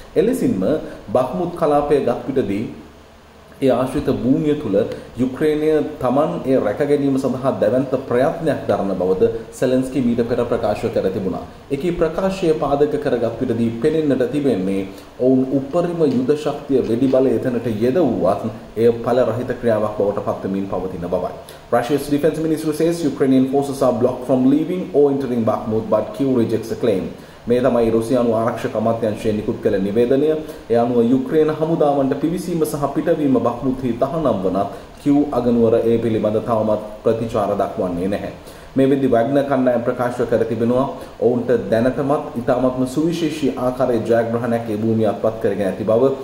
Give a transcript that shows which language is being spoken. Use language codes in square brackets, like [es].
[si] එලෙසින්ම බක්මුත් කලාපය ගත් විටදී ඒ ආශ්‍රිත භූමිය තුළ යුක්‍රේනය තමන් ඒ රැකගැනීම සඳහා දැවැන්ත ප්‍රයත්නයක් දරන බවද සෙලෙන්ස්කි මීට පෙර ප්‍රකාශ කර තිබුණා. එකී ප්‍රකාශය පාදක කරගත් විටදී පෙනෙන්නට තිබෙන්නේ ඔවුන් උපරිම යුද ශක්තිය වෙඩි බලය එතනට යෙදවුවත් එය ඵල රහිත ක්‍රියාවක් බවට පත්වමින් පවතින බවයි. [en] Russia's defense minister says Ukrainian forces are blocked from leaving or entering Bakhmut, but Kyiv rejects the claim. [si] මේ තමයි රුසියානු ආරක්ෂක අමාත්‍යාංශය නිකුත් කළ නිවේදනය. ඒ අනුව යුක්‍රේන හමුදාවන්ට පිවිසීම සහ පිටවීම බක්මුත්හි තහනම් වනත් කිව් අගනුවර ඒ පිළිබඳ තවමත් ප්‍රතිචාර දක්වන්නේ නැහැ. මේ විදි වග්න කණ්ඩායම් ප්‍රකාශ කර තිබෙනවා ඔවුන්ට දැනටමත් ඉතාමත්ම සුවිශේෂී ආකාරයේ ජයග්‍රහණයක් ඒ භූමිය අත්පත් කරගෙන ඇති බව.